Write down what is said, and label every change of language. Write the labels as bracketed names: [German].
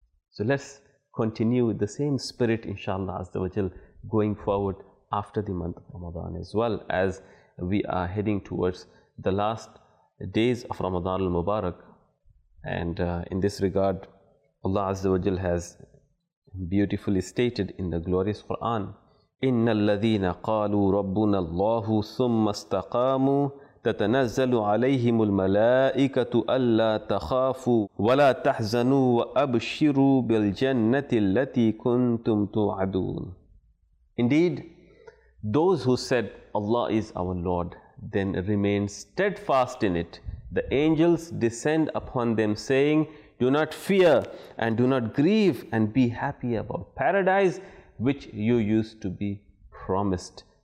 [English] so let's continue with the same spirit inshallah azza wa jal going forward after the month of ramadan as well as we are heading towards the last days of ramadan al mubarak and in this regard Allah azza wa jal has beautifully stated in the glorious quran [Arabic] ان الذين قالوا ربنا الله ثم استقاموا تتنزل عليهم الملائكه الا تخافوا ولا تحزنوا وابشروا بالجنه التي كنتم توعدون. [English] Indeed, those who said Allah is our Lord, then remain steadfast in it. The angels descend upon them saying, do not fear and do not grieve and be happy about paradise which you used to be promised.